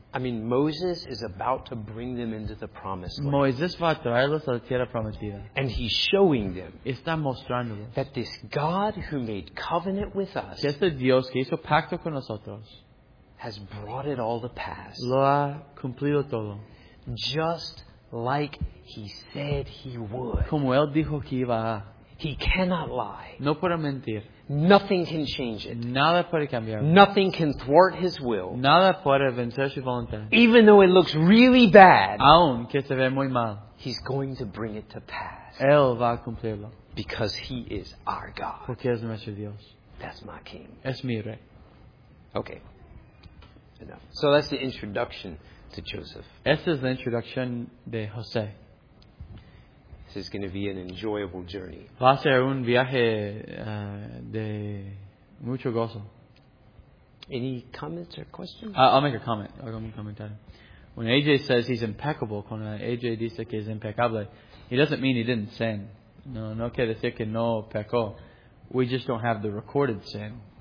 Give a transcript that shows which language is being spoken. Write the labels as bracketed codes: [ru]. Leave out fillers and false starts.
[en] I mean, Moses is about to bring them into the promised land. [es] Moisés va a traerlos a la tierra prometida. [en] And he's showing them. [es] Está mostrándoles. [en] That this God who made covenant with us. [es] Que este Dios que hizo pacto con nosotros. [en] Has brought it all to pass. [es] Lo ha cumplido todo. [en] Just like he said he would. [es] Como él dijo que iba a. [en] He cannot lie. [es] No puede mentir. [en] Nothing can change it. [es] Nada puede cambiar. [en] Nothing can thwart his will. [es] Nada puede vencer su voluntad. [en] Even though it looks really bad. [es] Aún que se ve muy mal. [en] He's going to bring it to pass. [es] Él va a cumplirlo. [en] Because he is our God. [es] Porque es nuestro Dios. [en] That's my king. [es] Es mi rey. [en] Okay. Enough. So that's the introduction to Joseph. [es] Esta es la introducción de José. [en] This is going to be an enjoyable journey. [es] Va a ser un viaje de mucho gozo. [en] Any comments or questions? I'll make a comment. I'll make a comment. When AJ says he's impeccable, [es] cuando AJ dice que es impecable, [en] he doesn't mean he didn't sin. [es] No quiere decir que no pecó. [en] We just don't have the recorded sin.